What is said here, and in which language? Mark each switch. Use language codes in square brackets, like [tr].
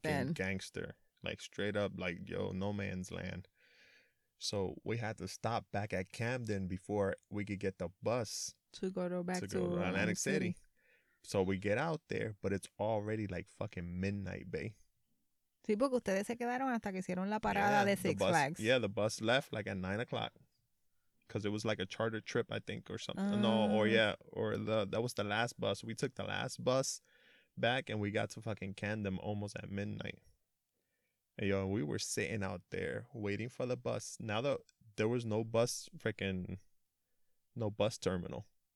[en] then. Gangster, like straight up, like yo, no man's land. So we had to stop back at Camden before we could get the bus to go to back to go Atlantic City. City. So we get out there, but it's already like fucking midnight, bae. [es] Sí, porque ustedes se quedaron hasta que hicieron la parada de Six Flags. [en] Yeah, the bus left like at 9 o'clock. Because it was like a charter trip, I think, or something. No, or yeah, or that was the last bus. We took the last bus back, and we got to fucking Camden almost at midnight. And, yo, we were sitting out there waiting for the bus. Now that there was no bus, freaking, no bus terminal.